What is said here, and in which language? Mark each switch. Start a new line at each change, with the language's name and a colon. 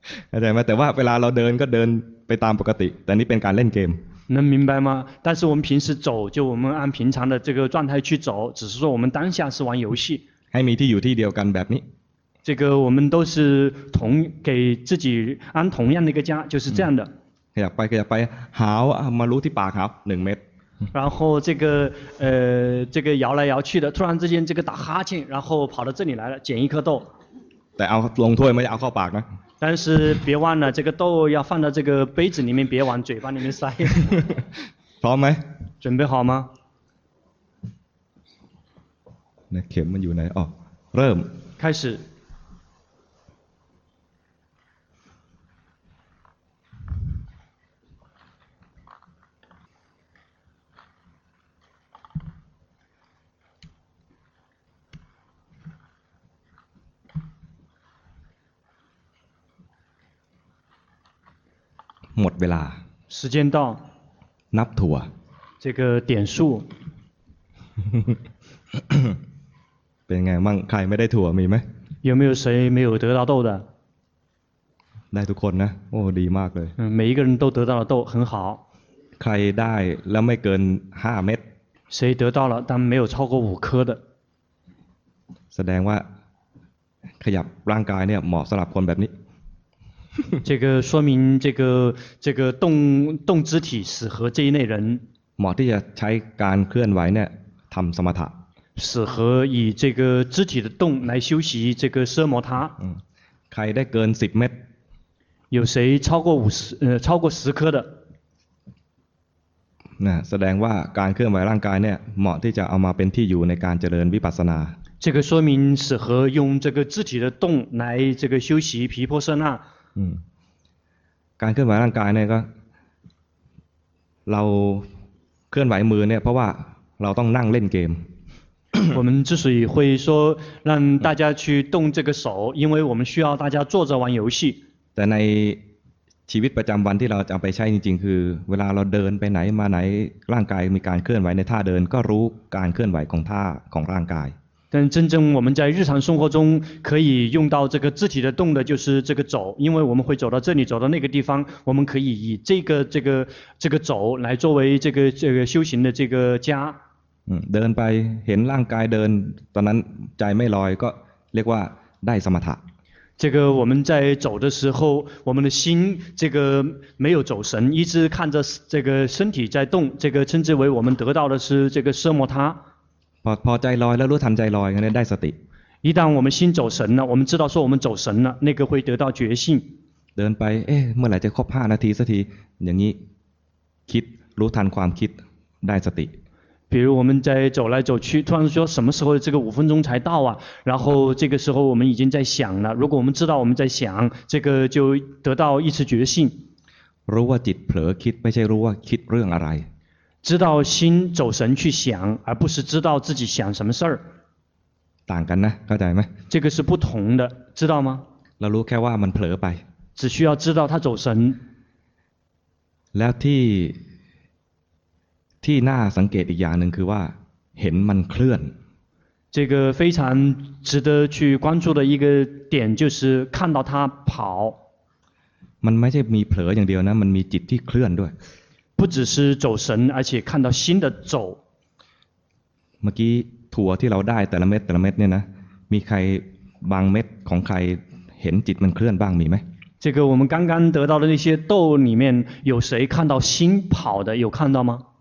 Thai: เข้าใจไหมแต่ว่าเวลาเราเดินก็เดินไปตามปกติแต่นี้เป็นการเล่นเกม
Chinese: 能明白吗？但是我们平时走，就我们按平常的这个状态去走，只是说我们当下是玩游戏。
Thai: ให้มีที่อยู่ที่เดียวกันแบบนี้。
Chinese: 这个我们都是同给自己安同样的一个家，就是这样的。
Thai: ขยับไปขยับไปหาวมารู้ที่ปากครับหนึ่งเม็ด。
Chinese: 然后这个摇来摇去的，突然之间这个打哈欠，然后跑到这里来了，捡一颗豆。
Thai: แต่เอาลงถ้วยไม่ได้เอาเข้าปากนะ。
Chinese: 但是别忘了，这个豆要放到这个杯子里面，别往嘴巴里面塞。
Thai: พร้อมไหม？
Chinese: 准备好吗？
Thai: นะเข็มมันอยู่ไหนอ๋อเริ่ม
Chinese: 开始
Thai: หมดเวลา
Chinese: 时间到
Thai: นับถั่ว
Chinese: 这个点数
Thai: เป็นไงมั่งใครไม่ได้ถั่วมีไหม
Chinese: 有没有谁没有得到豆的
Thai: ได้ทุกคนนะโอ้ดีมากเลย
Chinese: 每一个人都得到了豆很好
Thai: ใครได้แล้วไม่เกิน5เม็ด
Chinese: 谁得到了但没有超过5颗的
Thai: แสดงว่าขยับร่างกายเนี่ยเหมาะสำหรับคนแบบนี้
Chinese: 这个说明这个动肢体适合这一类人
Thai: เหมาะที่จะใช้การเคลื่อนไหวเนี่ยทำสมถะ
Chinese: 适合以这个肢体的动来修习这个奢摩他。
Thai: 嗯，ใครได้เกิน10เม็ด
Chinese: 有谁超过10颗的？
Thai: นะแสดงว่าการเคลื่อนไหวร่างกายเนี่ยเหมาะที่จะเอามาเป็นที่อยู่ในการเจริญวิปัสสนา。
Chinese: 这个说明适合用这个肢体的动来这个修习毗婆舍那。
Thai: 嗯，การเคลื่อนไหวร่างกายเนี่ยก็เราเคลื่อนไหวมือเนี่ยเพราะว่าเราต้องนั่งเล่นเกม
Chinese: 我们之所以会说让大家去动这个手，因为我们需要大家坐着玩游戏。
Thai: แต่ในชีวิตประจำวันที่เราจะไปใช้จริงๆคือเวลาเราเดินไปไหนมาไหนร่างกายมีการเคลื่อนไหวในท่าเดินก็รู้การเคลื่อนไหวของท่าของร่างกาย。
Chinese: 但真正我们在日常生活中可以用到这个肢体的动的，就是这个走，因为我们会走到这里，走到那个地方，我们可以以这个走来作为这个修行的这个家。
Thai: เดินไปเห็นร่างกายเดินตอนนั้นใจไม่ลอยก็เรียกว่าได้สมถะ
Chinese: 这个我们在走的时候我们的心这个没有走神一直看着这个身体在动这个称之为我们得到的是这个奢摩他
Thai: พอใจลอยแล้วรู้ทันใจลอยก็ได้สติ
Chinese: 一旦我们心走神了我们知道说我们走神了那个会得到觉性
Thai: เดินไปเอ๊ะเมื่อไหร่จะครบ5นาทีสักทีอย่างนี้คิดรู้ทันความคิดได้สติ
Chinese: 比如我们在走来走去突然说什么时候这个五分钟才到啊然后这个时候我们已经在想了如果我们知道我们在想这个就得到一次觉性
Thai: รู้ว่าจิตเผลอคิดไม่ใช่รู้ว่าคิดเรื่องอะไร
Chinese: 知道心走神去想而不是知道自己想什么事儿
Thai: ต่างกันนะเข้าใจไหม
Chinese: 这个是不同的知道吗
Thai: เรารู้แค่ว่ามันเผลอไป
Chinese: 只需要知道他走神
Thai: แล้วที่น่าสังเกตอีกอย่างหนึ่งคือว่าเห็นมันเคลื่อน
Chinese: 这个非常值得去关注的一个点就是看到它跑
Thai: มันไม่ใช่มีเผลออย่างเดียวนะมันมีจิตที่เคลื่อนด้วย
Chinese: 不只是走神而且看到心的走
Thai: เมื่อกี้ถั่วที่เราได้แต่ละเม็ดแต่ละเม็ดเนี่ยนะมีใครบางเม็ดของใครเห็นจิตมันเคลื่อนบ้างมีไหม
Chinese: 这个我们刚刚得到的那些豆里面有谁看到心跑的有看到吗